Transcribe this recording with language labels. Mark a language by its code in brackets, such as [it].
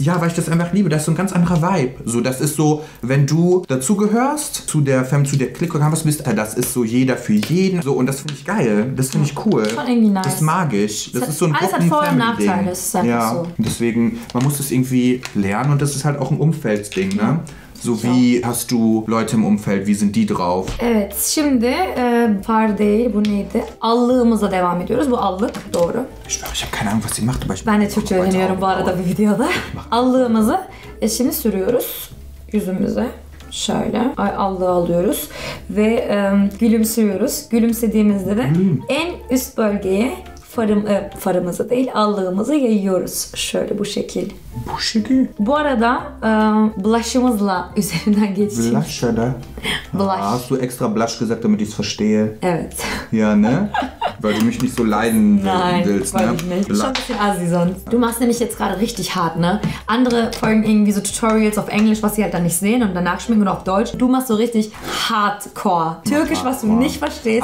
[de] Ja, weil ich das einfach liebe. Das ist so ein ganz anderer Vibe. So, das ist so, wenn du dazugehörst, zu der Femme, zu der Clique, was bist du, das ist so jeder für jeden. So, und das finde ich geil. Das finde ich cool. Schon irgendwie nice. Das ist magisch. Das hat, ist so ein alles hat Vor- und Nachteile. Das ist einfach ja. so. Deswegen, man muss das irgendwie lernen und das ist halt auch ein Umfeldding, ne? So, wie hast du Leute im Umfeld? Wie sind die drauf? [tr] Evet, şimdi var değil, bu neydi? Allığımıza devam ediyoruz. Bu allık, doğru. [de] Ich habe keine Ahnung, was sie macht. [tr] Ben de Türkçe öğreniyorum bu arada bir videoda. Allığımızı şimdi sürüyoruz yüzümüze. Şöyle allığı alıyoruz ve gülümsüyoruz. Gülümsediğimizde de en üst bölgeye farımızı değil, allığımızı yayıyoruz. Şöyle bu şekil. Bu şekil. Bu arada blush'ımızla üzerinden geçeyim. [de] Blush, oder? Blush. Hast du extra blush gesagt, damit ich es verstehe? [tr] Evet. [de] Ja, ne? Weil du mich nicht so leiden Nein, willst, ne? Nein, weil ich nicht. Blush. Schon ein bisschen assi sonst. Du machst nämlich jetzt gerade richtig hart, ne? Andere folgen irgendwie so Tutorials auf Englisch, was sie halt dann nicht sehen und danach schminken und auf Deutsch. Du machst so richtig hardcore. Türkisch, was du nicht verstehst.